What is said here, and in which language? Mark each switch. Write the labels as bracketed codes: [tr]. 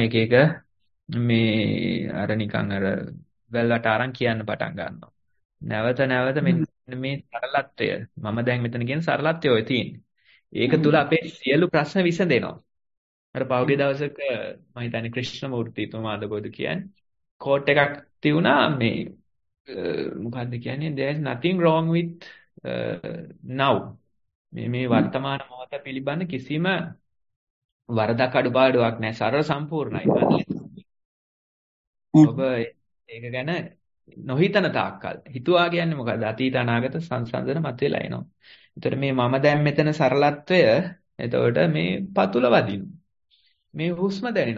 [si] එක එක මේ අර නිකන් අර වැල්වට අරන් කියන්න පටන් ගන්නවා. නැවත නැවත මෙන්න මේ සරලත්වය. මම දැන් මෙතන කියන සරලත්වය ඔය තියෙන්නේ. ඒක තුල අපේ සියලු ප්‍රශ්න විසඳෙනවා. අර පහුගිය දවසක මම හිතන්නේ ක්‍රිෂ්ණමූර්ති තුමාද බෝධ කියන්නේ කෝට් එකක් තියුණා. මේ මොකද්ද කියන්නේ? [en] there is nothing wrong with now. [si] මේ මේ වර්තමාන මොහොත පිළිබඳ කිසිම වරදක් අඩුපාඩුවක් නැහැ. සර්ව සම්පූර්ණයි. ඔබ ඒක ගැන නොහිතන තාක්කල්. හිතුවා කියන්නේ මොකද? අතීත අනාගත සංසන්දන මතුවලා එනවා. එතකොට මේ මම දැන් මෙතන සරලත්වය, එතකොට මේ පතුල වදින. මේ හුස්ම දැනෙන.